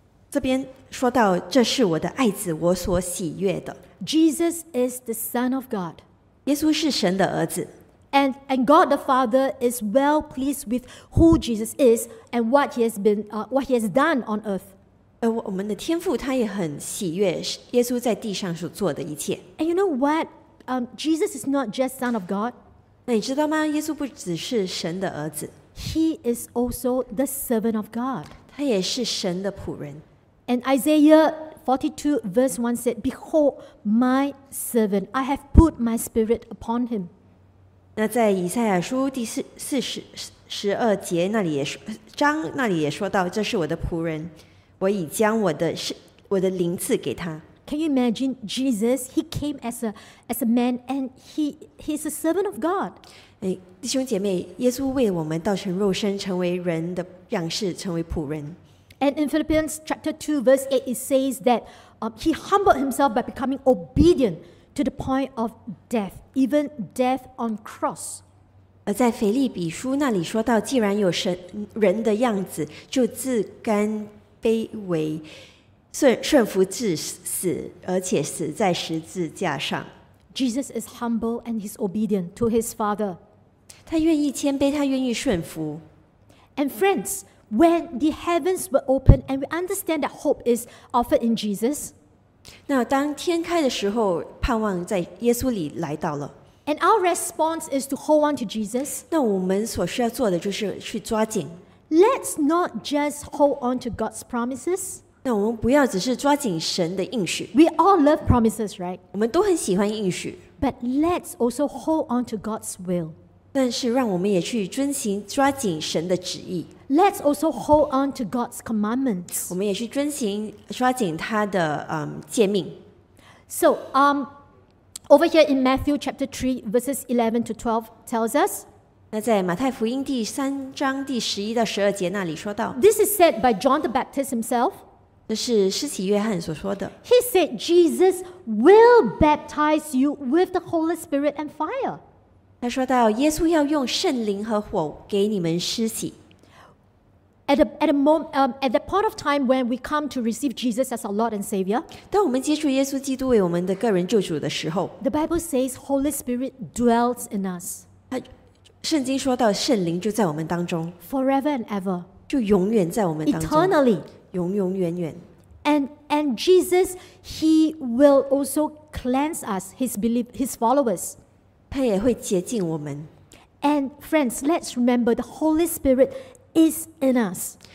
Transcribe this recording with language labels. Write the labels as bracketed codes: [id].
[zh] 这边说到这是我的爱子，我所喜悦的。 [en] Jesus is the Son of God. [zh] 耶稣是神的儿子。 [en] And God the Father is well pleased with who Jesus is and what he has been what he has done on earth. [zh] 我们的天父他也很喜悦耶稣在地上所做的一切。 [en] And you know what? Jesus is not just Son of God. [zh] 那你知道吗？耶稣不只是神的儿子。 [en] He is also the servant of God. [zh] 他也是神的仆人。 [en] And Isaiah 42:1 said, "Behold, my servant; I have put my spirit upon him." [zh] 那在以赛亚书第四十二节那里也章那里也说到，这是我的仆人。我已将我的灵赐给他。 [en] Can you imagine Jesus? He came as a man, and he's a servant of God. [zh] 弟兄姐妹，耶稣为我们道成肉身，成为人的样式，成为仆人。 [en] And in Philippians chapter 2:8, it says that he humbled himself by becoming obedient to the point of death, even death on cross. [zh] 而在腓立比书那里说到，既然有人的样子，就自甘。卑微，顺服至死，而且死在十字架上。 [en] Jesus is humble and he's obedient to his Father. [zh] 他愿意谦卑，他愿意顺服。 [en] And friends, when the heavens were opened and we understand that hope is offered in Jesus, [zh] 那当天开的时候，盼望在耶稣里来到了。 [en] And our response is to hold on to Jesus. [zh] 那我们所需要做的就是去抓紧。 [en] Let's not just hold on to God's promises. [zh] 那我们不要只是抓紧神的应许。 [en] We all love promises, right? [zh] 我们都很喜欢应许。 [en] But let's also hold on to God's will. [zh] 但是让我们也去遵行抓紧神的旨意。 [en] Let's also hold on to God's commandments. [zh] 我们也去遵行抓紧他的诫命。 [en] So, over here in Matthew chapter 3:11-12 tells us. [zh] 那在马太福音第三章第十一到十二节那里说到 [en] ，This is said by John the Baptist himself. [zh] 这是施洗约翰所说的。 [en] He said Jesus will baptize you with the Holy Spirit and fire. [zh] 他说到耶稣要用圣灵和火给你们施洗。 [en] At the point of time when we come to receive Jesus as our Lord and Savior, [zh] 当我们接触耶稣基督为我们的个人救主的时候 [en] ，The Bible says Holy Spirit dwells in us. [zh] 圣经说到圣灵就在我们当中 [en] forever and ever [zh] 就永远在我们当中 [en] eternally [zh] 永永远远 [en] and Jesus he will also cleanse us his followers [zh] 他也会洁净我们 [en] and friends let's remember the Holy Spirit is in us